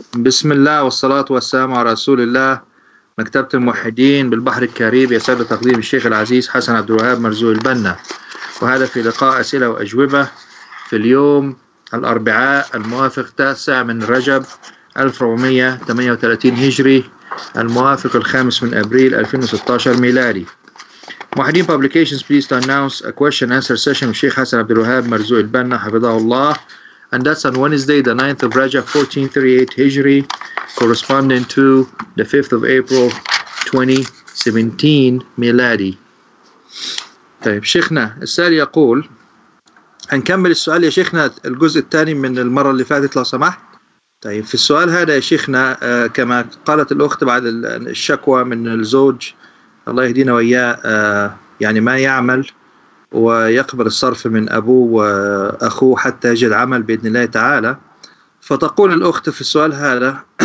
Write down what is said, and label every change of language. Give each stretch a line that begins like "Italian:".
Arabic: بسم الله والصلاة والسلام على رسول الله مكتبة الموحدين بالبحر الكاريبي يسعد تقديم الشيخ العزيز حسن عبد الوهاب مرزوق البنا، وهذا في لقاء أسئلة وأجوبة في اليوم الأربعاء الموافق 9 من رجب 1438 هجري الموافق 5 من أبريل 2016 ميلادي.
English: موحدين Publications please to announce a question answer session with Sheikh Hassan Abdul Wahab Marzu al-Banna Hafidahullah, and that's on Wednesday the 9th of Rajab 1438 Hijri corresponding to the 5th of April 2017 ميلادي.
Arabic: طيب شيخنا السؤال يقول، هنكمل السؤال يا شيخنا الجزء الثاني من المرة اللي فاتت لو سمحت. طيب في السؤال هذا يا شيخنا كما قالت الأخت بعد الشكوى من الزوج الله يهدينا وإياه يعني ما يعمل ويقبل الصرف من أبوه وأخوه حتى يجد عمل بإذن الله تعالى، فتقول الأخت في السؤال هذا